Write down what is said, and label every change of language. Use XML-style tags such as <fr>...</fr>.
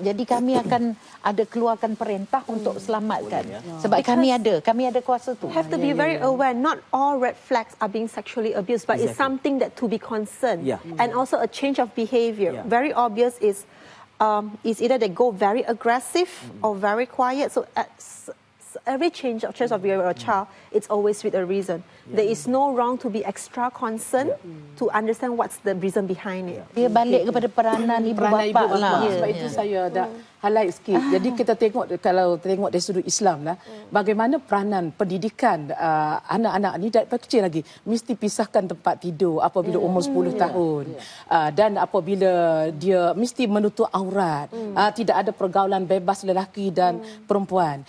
<ms>Jadi kami akan ada keluarkan perintah untuk selamatkan. Sebab kami ada kuasa tu.</ms> <en>Have to be very aware, not all red flags are being sexually abused, but it's something that to be concerned. And also a change of behavior. Very obvious is either they go very aggressive or very quiet. So every change of choice of your child, it's always with a reason. Yeah. There is no wrong to be extra concerned to understand what's the reason behind it.</en> <ms>Dia balik kepada peranan ibu bapa lah. Sebab itu saya dah highlight sikit. Jadi kita tengok, kalau tengok dari sudut Islam lah, bagaimana peranan pendidikan anak-anak ni dari kecil lagi mesti pisahkan tempat tidur apabila umur 10 tahun. Dan apabila dia mesti menutup aurat, tidak ada pergaulan bebas lelaki dan perempuan.</ms>